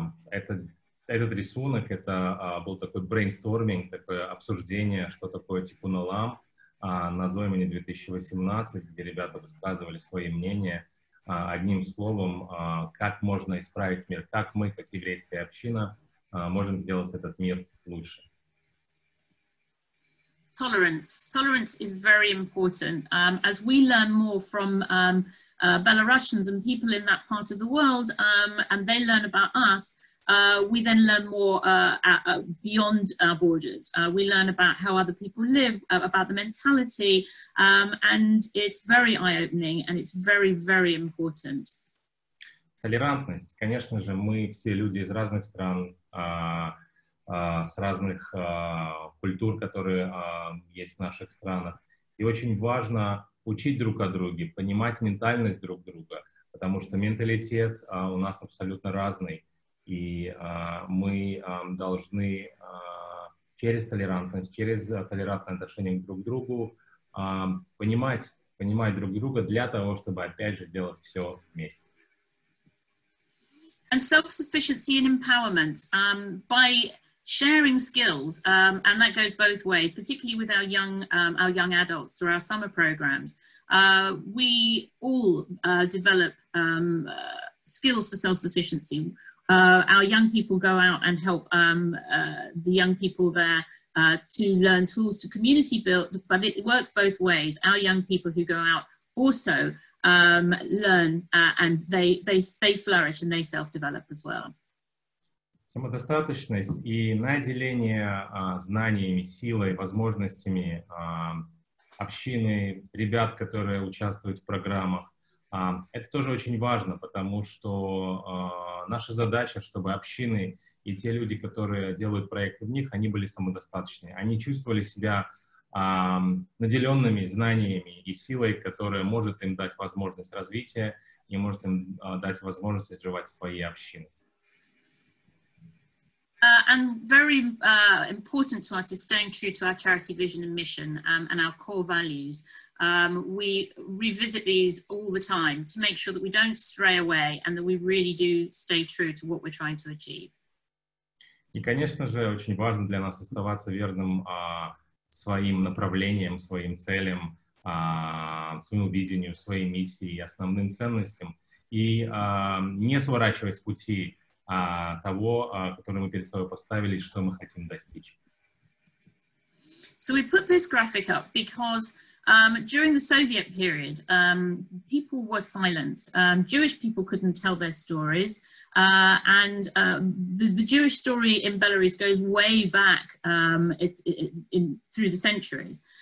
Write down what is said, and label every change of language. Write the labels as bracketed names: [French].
[Russian] Этот рисунок, это был такой брейнсторминг, такое обсуждение, что такое Tikkun Olam на Zoymen 2018, где ребята высказывали свои мнения одним словом, как можно исправить мир, как мы, как еврейская община, можем сделать этот мир лучше. [English] Tolerance. Tolerance is very important. As we learn more from Belarusians and people in that part of the world, and they learn about us, we then learn more beyond our borders. We learn about how other people live, about the mentality, and it's very eye-opening and it's very, very important. [Russian] Толерантность. Конечно же, мы все люди из разных стран, с разных культур, которые есть в наших странах. И очень важно учить друг о друге, понимать ментальность друг друга, потому что менталитет у нас абсолютно разный. И мы должны через толерантность, через толерантное отношение друг к другу понимать друг друга для того, чтобы опять же делать все вместе. [English] And self-sufficiency and empowerment by sharing skills, and that goes both ways, particularly with our young adults through our summer programs. We all develop skills for self-sufficiency. Our young people go out and help the young people there to learn tools to community build, but it works both ways. Our young people who go out also learn and they flourish and they self-develop as well. [Russian] Самодостаточность и наделение знаниями, силой, возможностями общины, ребят, которые участвуют в программах, это тоже очень важно, потому что наша задача, чтобы общины и те люди, которые делают проекты в них, они были самодостаточны, они чувствовали себя наделенными знаниями и силой, которая может им дать возможность развития и может им дать возможность развивать свои общины. [English] And very important to us is staying true to our charity vision and mission and our core values. We revisit these all the time to make sure that we don't stray away and that we really do stay true to what we're trying to achieve. [Russian] И, конечно же, очень важно для нас оставаться верным своим направлениям, своим целям, своему видению, своей миссии и основным ценностям и не сворачивать с пути того, который мы перед собой поставили, что мы хотим достичь. [English] So we put this graphic up because during the Soviet period, people were silenced. Jewish people couldn't tell their stories. And the Jewish story in Belarus goes way back through the centuries.